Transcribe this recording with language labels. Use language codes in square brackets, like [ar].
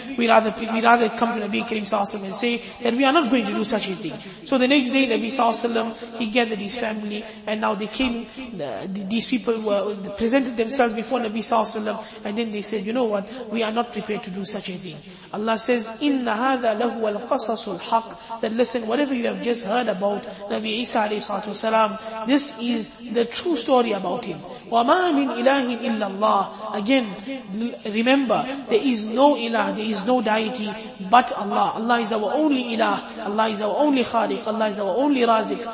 [en] We rather come to Nabi Kareem sallallahu alayhi wa sallam and say that we are not going to do such a thing. So the next day Nabi sallallahu alayhi wa sallam, he gathered his family, and now they came, these people were presented themselves before Nabi Sallallahu Alaihi Wasallam, and then they said, you know what, we are not prepared to do such a thing. Allah says, [ar] إِنَّ هَذَا لَهُوَ الْقَصَصُ الْحَقِّ. [en] That listen, whatever you have just heard about Nabi Isa Alayhi Wasallam, this is the true story about him. [ar] وَمَا مِنْ إِلَهٍ إِلَّا اللَّهِ. [en] Again, remember, there is no ilah, there is no deity but Allah. Allah is our only ilah, Allah is our only khaliq, Allah is our only razik.